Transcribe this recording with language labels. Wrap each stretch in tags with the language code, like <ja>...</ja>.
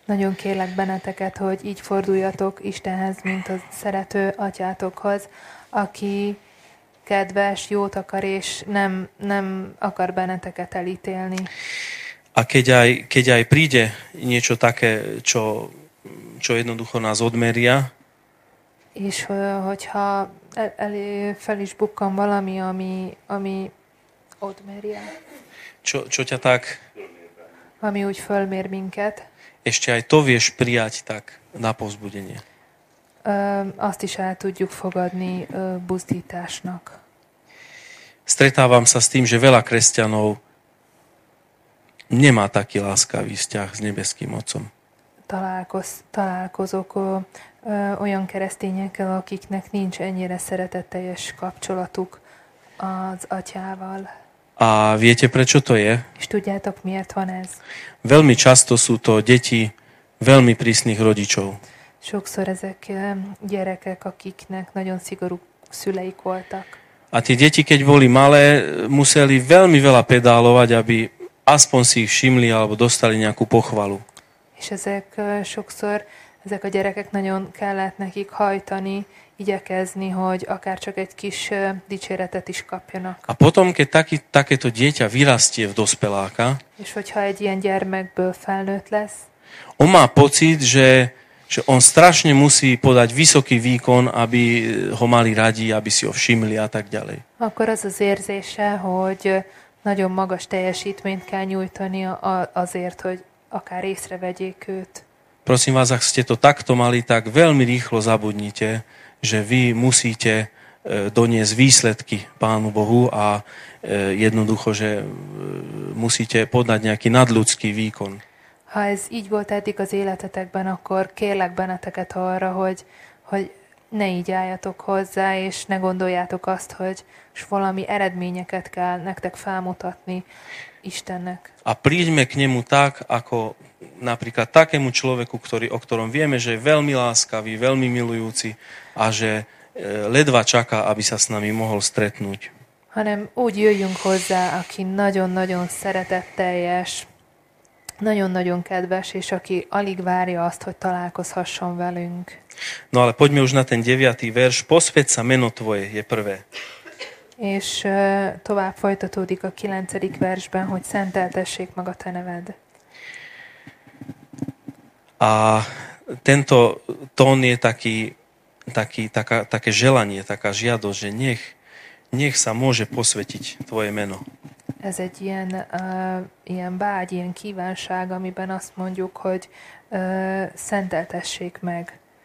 <hu>Nagyon kérlek benneteket, hogy így forduljatok Istenhez, mint a szerető atyátokhoz, aki kedves, jót akar, és nem akar benneteket elítélni.</hu> <sk>A keď aj príde niečo také, čo jednoducho nás odmeria.</sk> <hu>És hogyha fel is bukkan valami, ami odmeria.</hu> <sk>Čo ťa tak?</sk> <hu>Ami úgy fölmér minket.</hu> <sk>Ešte aj to vieš prijať tak na povzbudenie.</sk> <hu>Azt is el tudjuk fogadni buzdításnak.</hu> <sk>Stretávam sa s tým, že veľa kresťanov nemá taký láskavý vzťah s nebeským Otcom.</sk> <hu>Találkozok olyan keresztényekkel, akiknek nincs ennyire szeretetteljes kapcsolatuk az atyával.</hu> <sk>A viete, prečo to je?</sk> <hu>És tudjátok, miért van ez?</hu> <sk>Veľmi často sú to deti veľmi prísnych rodičov.</sk> <hu>Sokszor ezek gyerekek, akiknek nagyon szigorú szüleik voltak.</hu> <sk>A tie deti, keď boli malé, museli veľmi veľa pedálovať, aby aspoň si ich všimli alebo dostali nejakú pochvalu.</sk> <hu>És ezek sokszor, ezek a gyerekek nagyon kellett nekik hajtani, igyekezni, hogy akár csak egy kis dicséretet is kapjanak.</hu> <sk>A potom, keď takéto dieťa vyrastie v dospeláka,</sk> <hu>és hogyha egy ilyen gyermekből felnőtt lesz,</hu> <sk>on má pocit, že on strašne musí podať vysoký výkon, aby ho mali radi, aby si ho všimli a tak ďalej.</sk> <hu>Akkor az az érzése, hogy nagyon magas teljesítményt kell nyújtani azért, hogy akár észrevegyék őt.</hu> <sk>Prosím vás, ak ste to takto mali, tak veľmi rýchlo zabudnite, že vy musíte doniesť výsledky Pánu Bohu a jednoducho, že musíte podať nejaký nadľudský výkon.</sk> <hu>Ha ez így volt eddig az életetekben, akkor kérlek benneteket arra, hogy ne így álljatok hozzá, és ne gondoljátok azt, hogy s valami eredményeket kell nektek felmutatni Istennek.</hu> <sk>A príďme k nemu tak, ako napríklad takému človeku, o ktorom vieme, že je veľmi láskavý, veľmi milujúci a že ledva čaká, aby sa s nami mohol stretnúť.</sk> <hu>Hanem úgy jöjjünk hozzá, aki nagyon-nagyon szeretetteljes, nagyon-nagyon kedves, és aki alig várja azt, hogy találkozhasson velünk.</hu> <sk>No, ale poďme už na ten 9. verš. Posvedz sa meno tvoje, je prvé.</sk> <hu>És tovább folytatódik a 9. versben, hogy szenteltessék maga te neved.</hu> <sk>A tento tón je také želanie, taká žiadosť, že nech sa môže posvetiť tvoje meno.</sk> <hu>Ez egy ilyen, ilyen vágy, ilyen kívánság, amiben azt mondjuk, hogy szenteltessék meg.</hu>